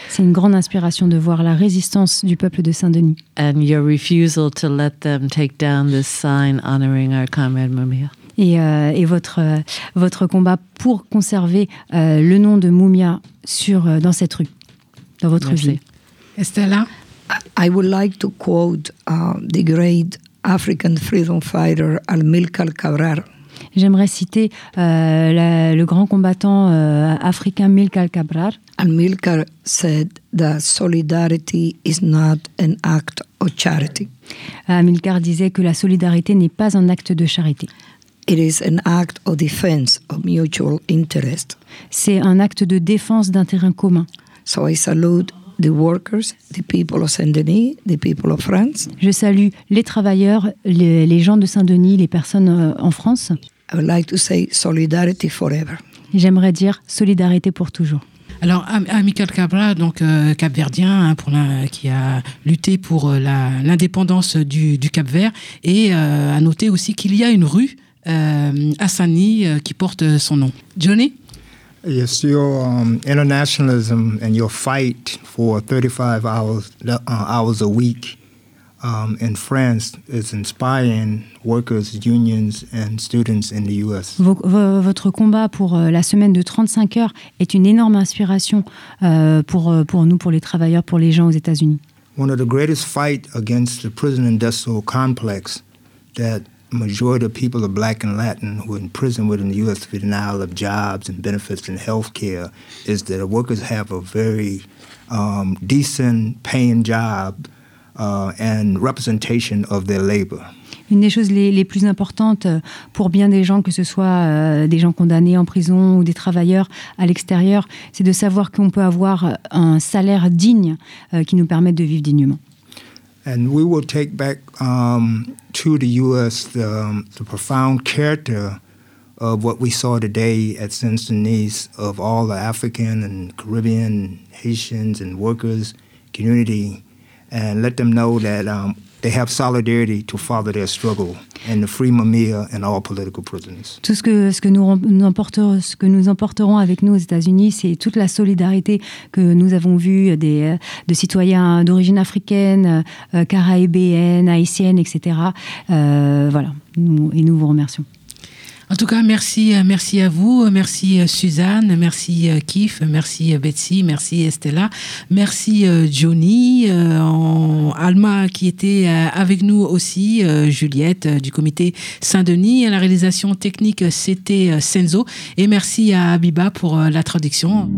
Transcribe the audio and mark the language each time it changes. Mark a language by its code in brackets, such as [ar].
[fr] C'est une grande inspiration de voir la résistance du peuple de Saint-Denis. [en] And your refusal to let them take down this sign honoring our comrade Mumia. [fr] Et votre combat pour conserver le nom de Mumia dans cette rue, dans votre Merci. Vie. Estella? [en] I would like to quote the great African freedom fighter Amilcar Cabral. [fr] J'aimerais citer le grand combattant africain Amilcar Cabral. [en] Amilcar said that solidarity is not an act of charity. [fr] Amilcar disait que la solidarité n'est pas un acte de charité. [en] It is an act of defense of mutual interest. [fr] C'est un acte de défense d'intérêt commun. [en] So I salute the workers, the people of Saint-Denis, the people of France. [fr] Je salue les travailleurs, les gens de Saint-Denis, les personnes en France. [en] I would like to say solidarity forever. [fr] J'aimerais dire solidarité pour toujours. Alors, Amilcar Cabral, donc Cap-Verdien, hein, qui a lutté pour l'indépendance du Cap-Vert, et à noter aussi qu'il y a une rue Assani, qui porte son nom. Johnny? [en] Yes, your internationalism and your fight for 35 hours a week in France is inspiring workers, unions and students in the US. [fr] Votre combat pour la semaine de 35 heures est une énorme inspiration pour nous, pour les travailleurs, pour les gens aux États-Unis. [en] One of the greatest fights against the prison industrial complex that majority of people are black and Latin who are in prison within the U.S. for denial of jobs and benefits and health care is that workers have a very decent paying job and representation of their labor. [fr] Une des choses les plus importantes pour bien des gens, que ce soit des gens condamnés en prison ou des travailleurs à l'extérieur, c'est de savoir qu'on peut avoir un salaire digne qui nous permette de vivre dignement. [en] And we will take back to the U.S. The profound character of what we saw today at Saint-Denis of all the African and Caribbean Haitians and workers community, and let them know that they have solidarity to follow their struggle and the free Mumia and all political prisons. [fr] Tout ce que nous emporterons avec nous aux États-Unis, c'est toute la solidarité que nous avons vue de citoyens d'origine africaine, caraïbéenne, haïtienne, etc. Voilà. Nous vous remercions. En tout cas, merci à vous, merci Suzanne, merci Kif, merci Betsy, merci Estella, merci Johnny, Alma qui était avec nous aussi, Juliette du comité Saint-Denis, la réalisation technique c'était Senzo, et merci à Abiba pour la traduction.